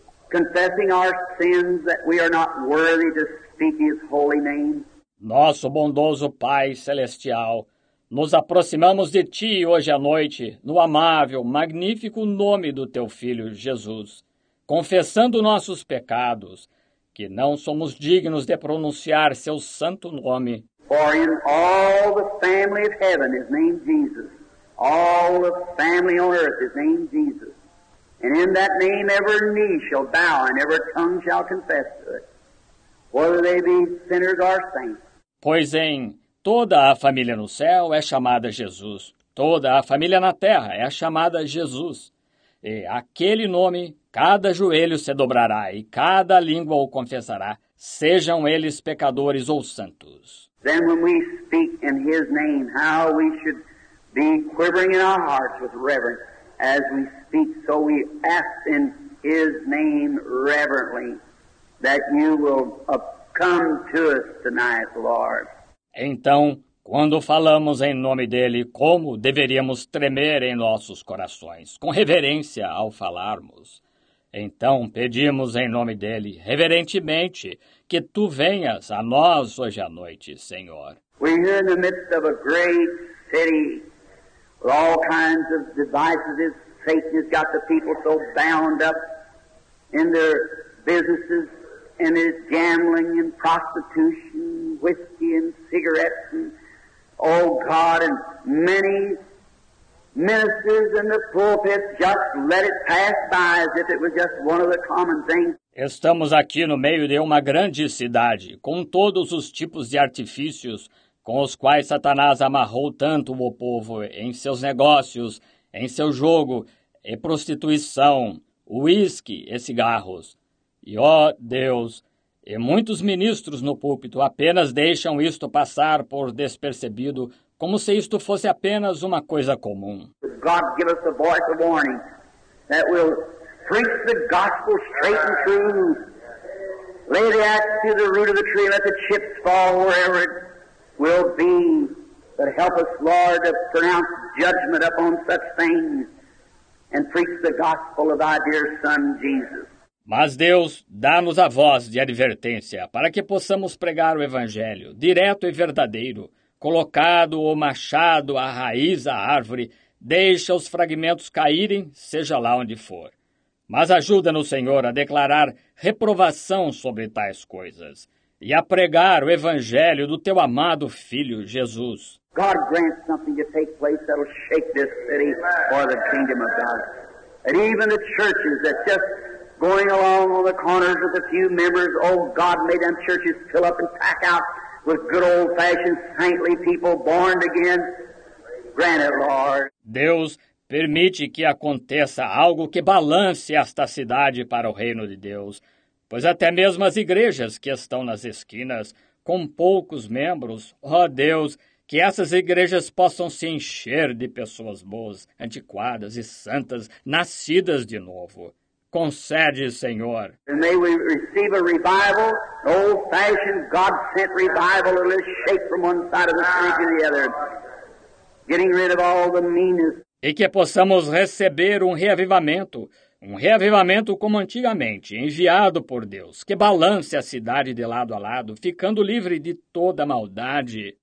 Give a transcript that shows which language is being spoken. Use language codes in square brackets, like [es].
[en] Confessing our sins that we are not worthy to speak his holy name. [pt] Nosso bondoso Pai Celestial, nos aproximamos de Ti hoje à noite, no amável, magnífico nome do Teu Filho Jesus, confessando nossos pecados, que não somos dignos de pronunciar Seu santo nome. [en] For in all the family of heaven is named Jesus, all the family on earth is named Jesus, and in that name every knee shall bow and every tongue shall confess to it, whether they be sinners or saints. [pt] Pois em toda a família no céu é chamada Jesus. Toda a família na terra é chamada Jesus. E aquele nome, cada joelho se dobrará e cada língua o confessará, sejam eles pecadores ou santos. [en] Then when we speak in his name, how we should be quivering in our hearts with reverence as we speak, so we ask in his name reverently that you will come to us tonight, Lord. [pt] Então, quando falamos em nome dele, como deveríamos tremer em nossos corações, com reverência ao falarmos. Então, pedimos em nome dele, reverentemente, que tu venhas a nós hoje à noite, Senhor. [en] We're here in the midst of a great city, with all kinds of devices. Satan has got the people so bound up in their businesses, and it's gambling and prostitution, whiskey and cigarettes, and oh God, and many ministers in the pulpit just let it pass by as if it was just one of the common things. [pt] Estamos aqui no meio de uma grande cidade, com todos os tipos de artifícios com os quais Satanás amarrou tanto o povo em seus negócios, em seu jogo, e prostituição, uísque e cigarros. E, ó Deus, e muitos ministros no púlpito apenas deixam isto passar por despercebido, como se isto fosse apenas uma coisa comum. [en] God give us a voice of warning that will preach the gospel straight and true. Lay the axe to the root of the tree, let the chips fall wherever it will be. But help us, Lord, to pronounce judgment upon such things and preach the gospel of thy dear Son, Jesus. [pt] Mas Deus, dá-nos a voz de advertência para que possamos pregar o Evangelho, direto e verdadeiro, colocado o machado à raiz da árvore, deixa os fragmentos caírem, seja lá onde for. Mas ajuda-nos, Senhor, a declarar reprovação sobre tais coisas e a pregar o Evangelho do Teu amado Filho, Jesus. [en] God grant something to take place that'll shake this city for the kingdom of God. And even the churches that just going along on the corners with a few members, oh God, may them churches fill up and pack out with good old-fashioned saintly people born again. Grant it, Lord. [pt] Deus, permite que aconteça algo que balance esta cidade para o reino de Deus, pois até mesmo as igrejas que estão nas esquinas, com poucos membros, ó Deus, que essas igrejas possam se encher de pessoas boas, antiquadas e santas, nascidas de novo. Concede, Senhor. [en] And may we receive a revival, an old-fashioned, God-sent revival, that will shake from one side of the street to the other, getting rid of all the meanness. [pt] E que possamos receber um reavivamento como antigamente, enviado por Deus, que balance a cidade de lado a lado, ficando livre de toda maldade.